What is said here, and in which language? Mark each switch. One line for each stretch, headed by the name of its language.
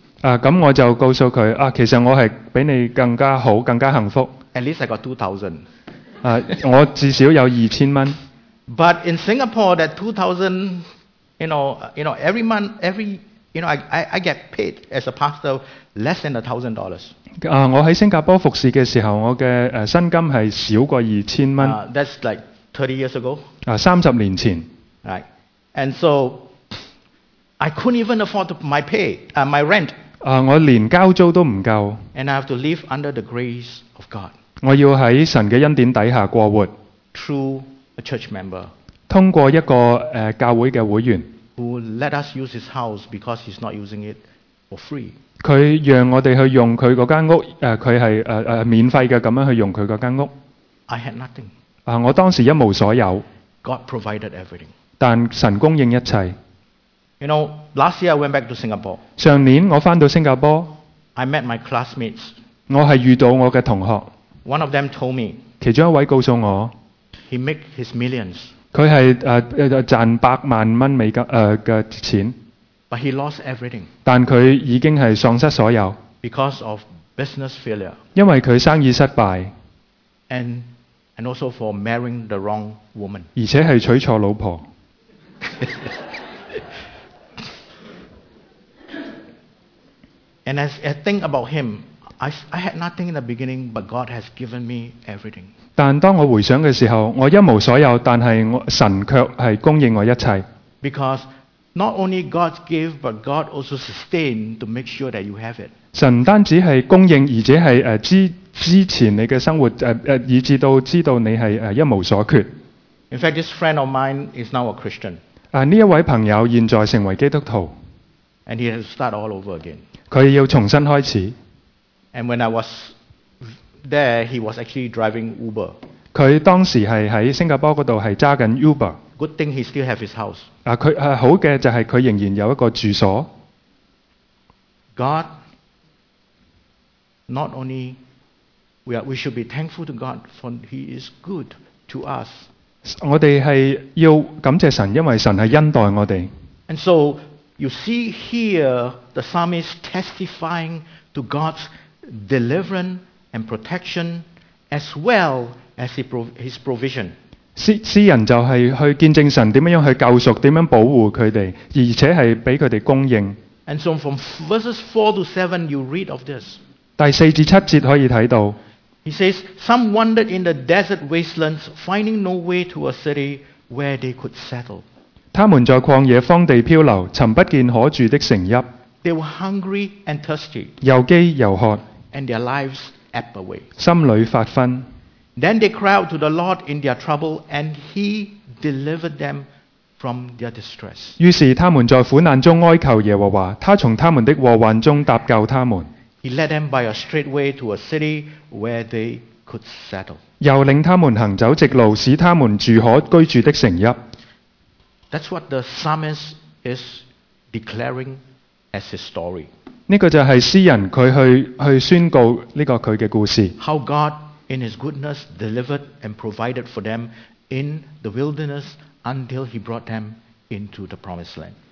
Cantonese: 咁我就告訴佢，其實我係比你更加好，更加幸福。
English: At least I got 2,000.
Cantonese: 我至少有2,000元。
English: But in Singapore, that 2,000, you know, every month, I get paid as a pastor less than $1,000.
Cantonese: 我喺新加坡服侍嘅時候，我嘅薪金係少過2,000元。
English: That's like 30 years ago. 30 years ago. Right, and so. I couldn't even afford my pay, my rent.
Cantonese: 我連交租都唔夠。
English: And I have to live under the grace of God.
Cantonese: 我要喺神嘅恩典底下過活。
English: Through a church member.
Cantonese: 通過一個教會嘅會員。
English: Who let us use his house because he's not using it for free.
Cantonese: 佢讓我哋去用佢嗰間屋，佢係免費嘅咁樣去用佢嗰間屋。
English: I had nothing.
Cantonese: 我當時一無所有。
English: God provided everything.
Cantonese: 但神供應一切。
English: You know, last year I went back to Singapore.
Cantonese: 上年我翻到新加坡。
English: I met my classmates.
Cantonese: 我係遇到我嘅同學。
English: One of them told me.
Cantonese: 其中一位告訴我。
English: He make his millions.
Cantonese: 佢係賺百萬蚊美金嘅錢。
English: But he lost everything.
Cantonese: 但佢已經係喪失所有。
English: Because of business failure.
Cantonese: 因為佢生意失敗。
English: And also for marrying the wrong woman.
Cantonese: 而且係娶錯老婆。
English: And as I think about him, I had nothing in the beginning, but God has given me everything.
Cantonese: 但当我回想的时候，我一无所有，但是神却是供应我一切。
English: Because not only God give, but God also sustain to make sure that you have it.
Cantonese: 神不单只是供应，而且是支持你的生活，以至到知道你是一无所缺。
English: In fact, this friend of mine is now a Christian.
Cantonese: 这位朋友现在成为基督徒。
English: And he has to start all over again.
Cantonese: 佢要重新開始。
English: And when I was there, he was actually driving Uber.
Cantonese: 佢當時係喺新加坡嗰度係揸緊 Uber.
English: Good thing he still have his house.
Cantonese: 佢好嘅就係佢仍然有一個住所。
English: God, not only we should be thankful to God for He is good to us.
Cantonese: 我哋係要感謝神，因為神係恩待我哋。
English: And so. You see here the psalmist testifying to God's deliverance and protection as well as his provision.
Cantonese: 詩人就係去見證神點樣去救贖，點樣保護佢哋，而且係俾佢哋供應。
English: And so from verses 4 to 7 you read of this.
Cantonese: 第四至七節可以睇到。
English: He says, Some wandered in the desert wastelands, finding no way to a city where they could settle.
Cantonese: 他们在旷野荒地漂流，寻不见可住的城邑。
English: They were hungry and thirsty,
Cantonese: 又饥又渴。
English: And their lives ebb away.
Cantonese: 心里发昏。
English: Then they cried out to the Lord in their trouble, and He delivered them from their distress.
Cantonese: 于是他们在苦难中哀求耶和华，他从他们的祸患中搭救他们。
English: He led them by a straight way to a city where they could settle.
Cantonese: 又领他们行走直路，使他们住可居住的城邑。
English: That's what the psalmist is declaring as his story.
Cantonese: 呢个就系诗人佢去宣告呢个佢嘅故事。
English: How God in His goodness delivered and provided for them in the wilderness until He brought them into the promised land.